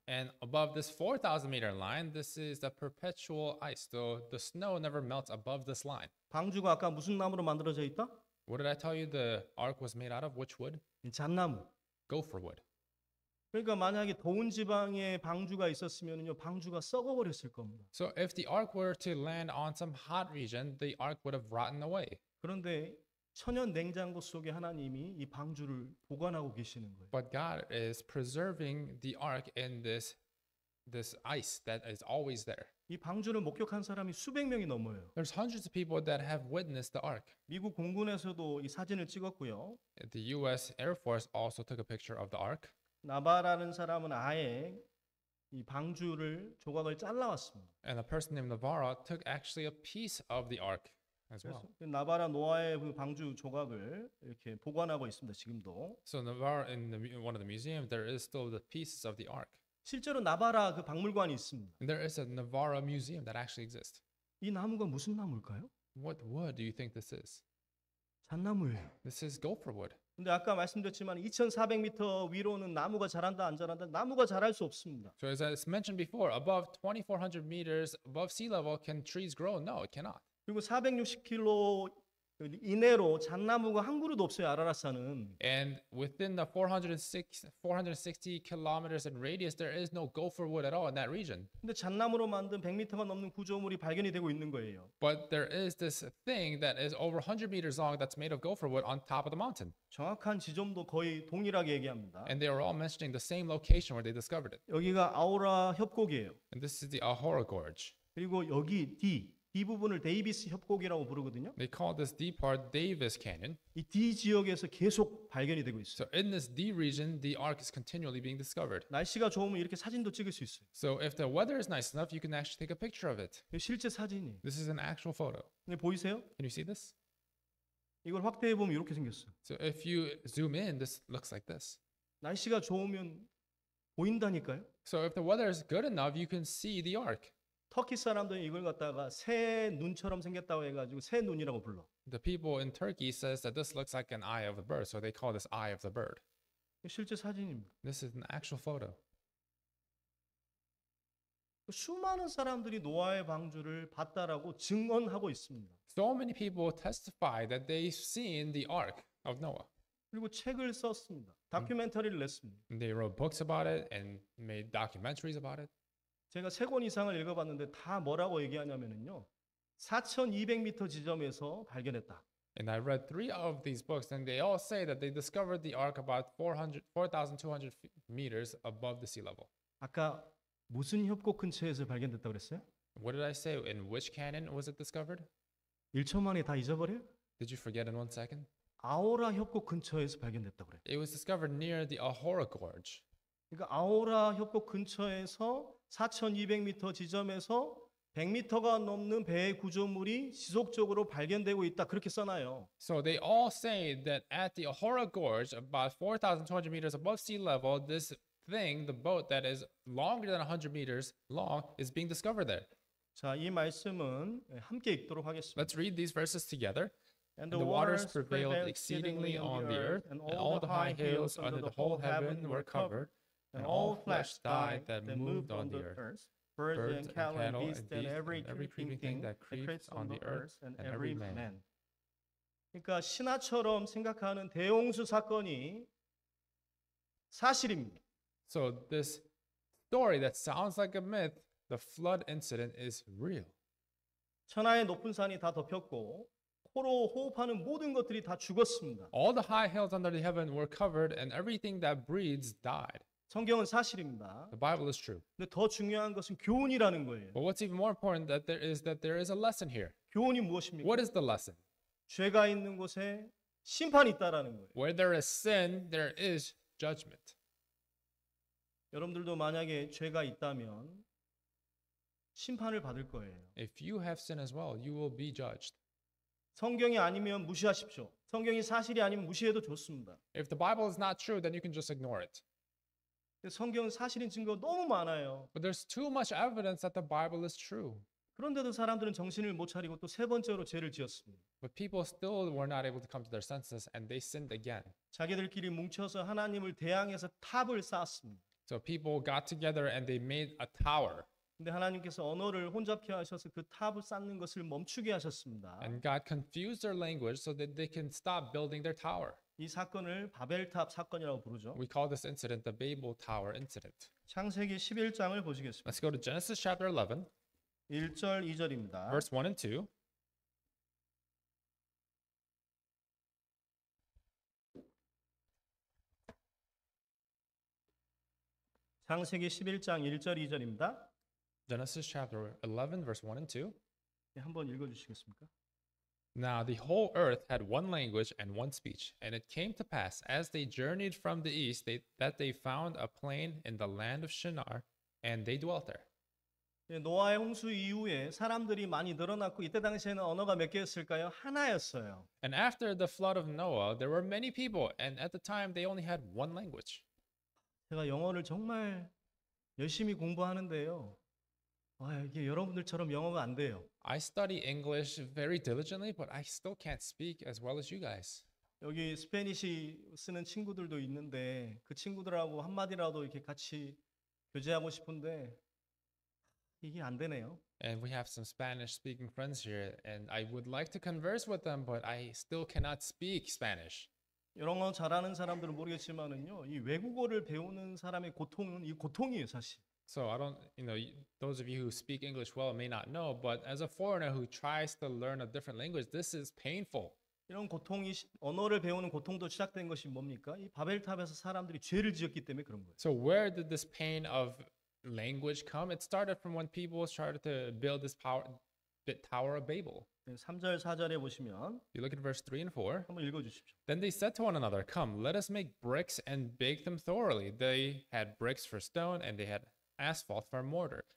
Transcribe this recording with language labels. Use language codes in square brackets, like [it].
[en] And above this 4,000 meter line, this is the perpetual ice. So the snow never melts above this line. [ko] 방주가 아까 무슨 나무로 만들어져 있다? [en] What did I tell you? The ark was made out of which wood? [ko] 잣나무. [en] Gopher wood. [ko] 그러니까 만약에 더운 지방에 방주가 있었으면요 방주가 썩어버렸을 겁니다. [en] So if the ark were to land on some hot region, the ark would have rotten away. [ko] 그런데 천연 냉장고 속에 하나님이 이 방주를 보관하고 계시는 거예요. [en] But God is preserving the ark in this ice that is always there. [ko] 이 방주를 목격한 사람이 수백 명이 넘어요. [en] There's hundreds of people that have witnessed the ark. [ko] 미국 공군에서도 이 사진을 찍었고요. [en] The U.S. Air Force also took a picture of the ark. [ko] 나바라는 사람은 아예 이 방주를 조각을 잘라왔습니다. [en] And a person named Navarro took actually a piece of the ark. as well. [ko] 나바라 노아의 그 방주 조각을 이렇게 보관하고 있습니다. 지금도. [en] So Navarre in one of the museums, there is still the pieces of the ark. [ko] 실제로 나바라 그 박물관이 있습니다. [en] And there is a Navarre museum that actually exists. [ko] 이 나무가 무슨 나무일까요? [en] What wood do you think this is? [ko] 잣나무예요. [en] This is gopher wood. [ko] 근데 아까 말씀드렸지만 2,400m 위로는 나무가 자란다 안 자란다 나무가 자랄 수 없습니다. [en] So as I mentioned before, above 2,400 meters above sea level, can trees grow? No, it cannot. [ko] 그리고 460km 이내로 잣나무가 한 그루도 없어요, 아라라산은. [en] And within the 460 kilometers in radius, there is no gopher wood at all in that region. [ko] 근데 잣나무로 만든 100m가 넘는 구조물이 발견이 되고 있는 거예요. [en] But there is this thing that is over 100 meters long that's made of gopher wood on top of the mountain. [ko] 정확한 지점도 거의 동일하게 얘기합니다. [en] And they are all mentioning the same location where they discovered it. [ko] 여기가 아우라 협곡이에요. [en] And this is the Ahura Gorge. [ko] 그리고 여기 D. 이 부분을 데이비스 협곡이라고 부르거든요. [en] They call this D part Davis Canyon. [ko] 이 D 지역에서 계속 발견이 되고 있어요. [en] So in this D region, the ark is continually being discovered. [ko] 날씨가 좋으면 이렇게 사진도 찍을 수 있어요. [en] So if the weather is nice enough, you can actually take a picture of it. [ko] 실제 사진이. [en] This is an actual photo. [ko] 네, 보이세요? [en] Can you see this? [ko] 이걸 확대해 보면 이렇게 생겼어요. [en] So if you zoom in, this looks like this. [ko] 날씨가 좋으면 보인다니까요. [en] So if the weather is good enough, you can see the ark. [ko] 터키 사람들이 이걸 갖다가 새 눈처럼 생겼다고 해가지고 새 눈이라고 불러. [en] The people in Turkey says that this looks like an eye of a bird, so they call this eye of the bird. [ko] 실제 사진입니다. [en] This is an actual photo. [ko] 수많은 사람들이 노아의 방주를 봤다라고 증언하고 있습니다. [en] So many people testify that they've seen the ark of Noah. [ko] 그리고 책을 썼습니다. 다큐멘터리를 냈습니다. [en] And they wrote books about it and made documentaries about it. [ko] 제가 세 권 이상을 읽어봤는데 다 뭐라고 얘기하냐면요. 4,200m 지점에서 발견했다. [en] And I read three of these books and they all say that they discovered the ark about 4,200 meters above the sea level. [ko] 아까 무슨 협곡 근처에서 발견됐다고 그랬어요? [en] What did I say? In which canyon was it discovered? [ko] 1초 만에 다 잊어버려요? [en] Did you forget in one second? [ko] 아우라 협곡 근처에서 발견됐다고 그래요. [en] It was discovered near the Ahura Gorge. [ko] 그러니까 아우라 협곡 근처에서 4,200m 지점에서 100m가 넘는 배의 구조물이 지속적으로 발견되고 있다 그렇게 써놔요. [en] So they all say that at the Ahura Gorge, about 4,200 meters above sea level, this thing, the boat that is longer than 100 meters long, is being discovered there. [ko] 자, 이 말씀은 함께 읽도록 하겠습니다. [en] Let's read these verses together. And the waters prevailed exceedingly on the earth, and all the high hills under the whole heaven were covered. And all flesh died that moved on the earth, birds and cattle and beasts and every creeping thing that creeps on the earth and every man. [ko] 그러니까 신화처럼 생각하는 대홍수 사건이 사실입니다. [en] So this story that sounds like a myth, the flood incident is real. [ko] 천하의 높은 산이 다 덮였고 코로 호흡하는 모든 것들이 다 죽었습니다. [en] All the high hills under the heaven were covered and everything that breathes died. [ko] 성경은 사실입니다. [en] The Bible is true. [ko] 근데 더 중요한 것은 교훈이라는 거예요. [en] But what's even more important that there is that there is a lesson here. [ko] 교훈이 무엇입니까? [en] What is the lesson? [ko] 죄가 있는 곳에 심판이 있다라는 거예요. [en] Where there is sin, there is judgment. [ko] 여러분들도 만약에 죄가 있다면 심판을 받을 거예요. [en] If you have sin as well, you will be judged. [ko] 성경이 아니면 무시하십시오. 성경이 사실이 아니면 무시해도 좋습니다. [en] If the Bible is not true, then you can just ignore it. [ko] 성경은 사실인 증거가 너무 많아요. [en] But there's too much evidence that the Bible is true. [ko] 그런데도 사람들은 정신을 못 차리고 또 세 번째로 죄를 지었습니다. [en] But people still were not able to come to their senses and they sinned again. [ko] 자기들끼리 뭉쳐서 하나님을 대항해서 탑을 쌓았습니다. [en] So people got together and they made a tower. [ko] 근데 하나님께서 언어를 혼잡케 하셔서 그 탑을 쌓는 것을 멈추게 하셨습니다. [en] And God confused their language so that they can stop building their tower. [ko] 이 사건을 바벨탑 사건이라고 부르죠. [en] We call this incident the Babel Tower incident. [ko] 창세기 11장을 보시겠습니다. [en] Let's go to Genesis chapter 11. [ko] 1절 2절입니다. [en] Verse 1 and 2. [ko] 창세기 11장 1절 2절입니다. [en] Genesis chapter 11 verse 1 and 2. [ko] 네, 한번 읽어 주시겠습니까? [en] Now the whole earth had one language and one speech, and it came to pass, as they journeyed from the east, that they found a plain in the land of Shinar, and they dwelt there. [ko] 노아의 홍수 이후에 사람들이 많이 늘어났고 이때 당시에는 언어가 몇 개였을까요? 하나였어요. [en] And after the flood of Noah, there were many people, and at the time they only had one language. [ko] 제가 영어를 정말 열심히 공부하는데요. 아, 이게 여러분들처럼 영어가 안 돼요. [en] I study English very diligently, but I still can't speak as well as you guys. [ko] 여기 스페니시 쓰는 친구들도 있는데 그 친구들하고 한 마디라도 이렇게 같이 교제하고 싶은데 이게 안 되네요. [en] And we have some Spanish speaking friends here and I would like to converse with them but I still cannot speak Spanish. [ko] 이런 거 잘하는 사람들은 모르겠지만은요. 이 외국어를 배우는 사람의 고통은 이 고통이에요, 사실. [en] So I don't, you know, those of you who speak English well may not know but as a foreigner who tries to learn a different language this is painful. [ko] 이런 고통이 언어를 배우는 고통도 시작된 것이 뭡니까? 이 바벨탑에서 사람들이 죄를 지었기 때문에 그런 거예요. [en] So where did this pain of language come? It started from when people started to build this power, the Tower of Babel. [ko] 3절 4절에 보시면 [en] You look at verse 3 and 4. [ko] 한번 읽어 주십시오. [en] Then they said to one another, "Come, let us make bricks and bake them thoroughly." They had bricks for stone and they had asphalt for mortar.